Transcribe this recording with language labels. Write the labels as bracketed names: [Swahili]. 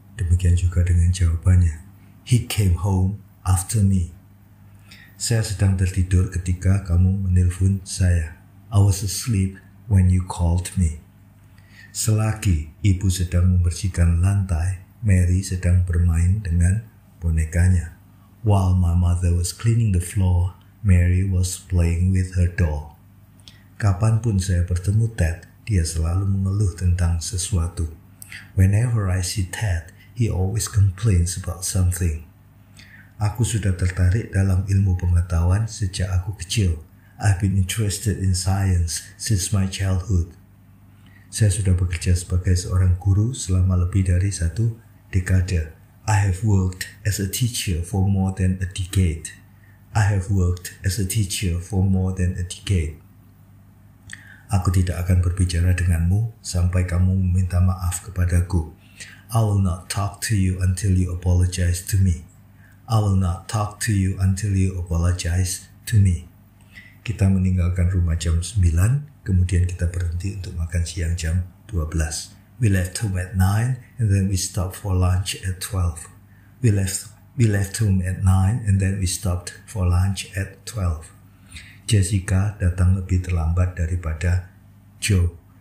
[Indonesian] Demikian juga dengan jawabannya. [English] He came home after me. [Indonesian] Saya sedang tertidur ketika kamu menelpon saya. [English] I was asleep when you called me. [Indonesian] Selagi ibu sedang membersihkan lantai, Mary sedang bermain dengan bonekanya. [English] While my mother was cleaning the floor, Mary was playing with her doll. [Indonesian] Kapanpun saya bertemu Ted, dia selalu mengeluh tentang sesuatu. [English] Whenever I see Ted, he always complains about something. [Indonesian] Aku sudah tertarik dalam ilmu pengetahuan sejak aku kecil. [English] I've been interested in science since my childhood. [Indonesian] Saya sudah bekerja sebagai seorang guru selama lebih dari satu dekade. [English] I have worked as a teacher for more than a decade. I have worked as a teacher for more than a decade. [Indonesian] Aku tidak akan berbicara denganmu sampai kamu meminta maaf kepadaku. [English] I will not talk to you until you apologize to me. I will not talk to you until you apologize to me. [Indonesian] Kita meninggalkan rumah jam 9, kemudian kita berhenti untuk makan siang jam 12. [English] We left home at 9 and then we stopped for lunch at 12. We left home at 9 and then we stopped for lunch at 12. [Indonesian] Jessica datang lebih terlambat daripada Joe.